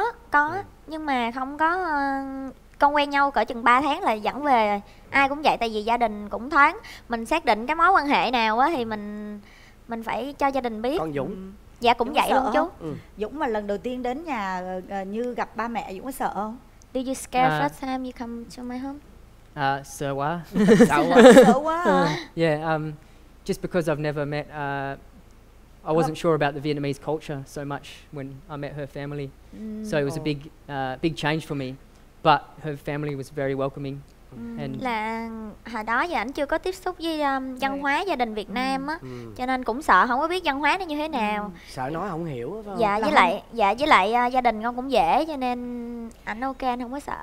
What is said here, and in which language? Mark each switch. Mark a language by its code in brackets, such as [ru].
[vi] Có nhưng mà không có. Con quen nhau cỡ chừng 3 tháng là dẫn về rồi. Ai cũng vậy, tại vì gia đình cũng thoáng. Mình xác định cái mối quan hệ nào á thì mình phải cho gia đình biết. Con Dũng? Dạ cũng Dũng vậy luôn chú. Dũng mà lần đầu tiên đến nhà Như gặp ba mẹ, Dũng có sợ không? [en] Do you scare first time you come to my home? [vi] Sợ quá. Sợ quá. [en] Yeah, just because I've never met I wasn't sure about the Vietnamese culture so much when I met her family. So it was a big change for me. But her family was very welcoming. [vi] Là hồi đó giờ anh chưa có tiếp xúc với văn hóa gia đình Việt Nam á, cho nên cũng sợ không có biết văn hóa nó như thế nào. Sợ nói không hiểu phải không? Dạ với lại gia đình con cũng dễ cho nên anh ok, anh không có sợ.